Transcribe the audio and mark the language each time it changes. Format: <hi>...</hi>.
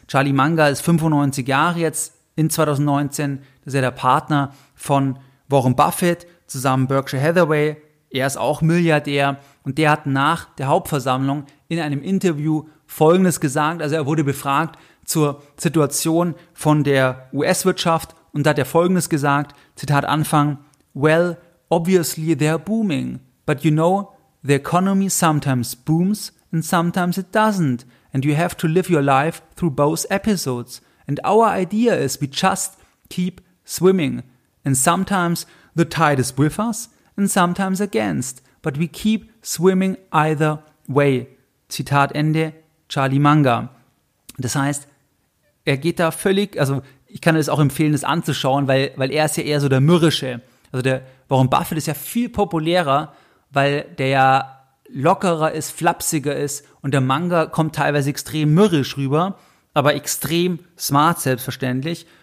<de>Charlie Munger ist 95 Jahre jetzt in 2019, das ist ja der Partner von Warren Buffett, zusammen Berkshire Hathaway, er ist auch Milliardär und der hat nach der Hauptversammlung in einem Interview Folgendes gesagt, also er wurde befragt zur Situation von der US-Wirtschaft und da hat er Folgendes gesagt, Zitat Anfang,</de> <en>well, obviously they're booming, but you know, the economy sometimes booms and sometimes it doesn't. And you have to live your life through both episodes. And our idea is we just keep swimming. And sometimes the tide is with us and sometimes against. But we keep swimming either way.</en> <de>Zitat Ende, Charlie Munger. Das heißt, er geht da völlig, also ich kann es auch empfehlen, das anzuschauen, weil er ist ja eher so der Mürrische. Also der Warren Buffett ist ja viel populärer, weil der ja lockerer ist, flapsiger ist und der Manga kommt teilweise extrem mürrisch rüber, aber extrem smart selbstverständlich.</de>